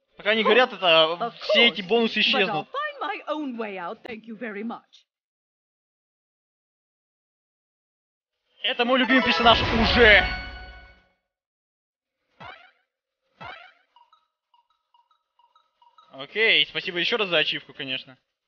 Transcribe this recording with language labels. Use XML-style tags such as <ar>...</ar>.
<ru>Пока они говорят это, все эти бонусы исчезнут.</ru> <en>But I'll find my own way out, thank you very much.</en> <ru>Это мой любимый персонаж уже. Окей, спасибо еще раз за ачивку, конечно.</ru>